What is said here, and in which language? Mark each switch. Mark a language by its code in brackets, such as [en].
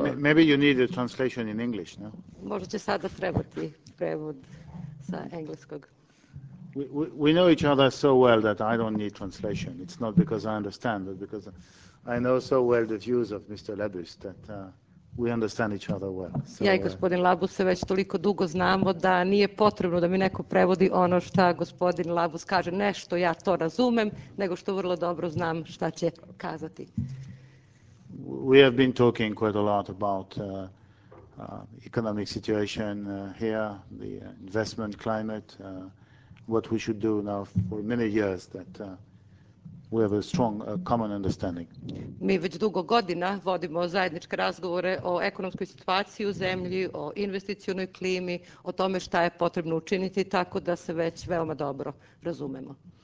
[en] Maybe you need a translation in English, no? [sr] Možda će sada trebati prevod sa engleskog. [en] We know each other so well that I don't need translation. It's not because I understand, but because I know so well the views of Mr. Labus that we understand each other well. [sr] So, ja i gospodin Labus se već toliko dugo znamo da nije potrebno da mi neko prevodi ono šta gospodin Labus kaže. Nešto ja to razumem, nego što vrlo dobro znam šta će kazati. [en] We have been talking quite a lot about economic situation here, the investment climate, what we should do now for many years that we have a strong common understanding. [sr] Mi već dugo godina vodimo zajedničke razgovore o ekonomskoj situaciji u zemlji, o investicionoj klimi, o tome šta je potrebno učiniti, tako da se već veoma dobro razumemo.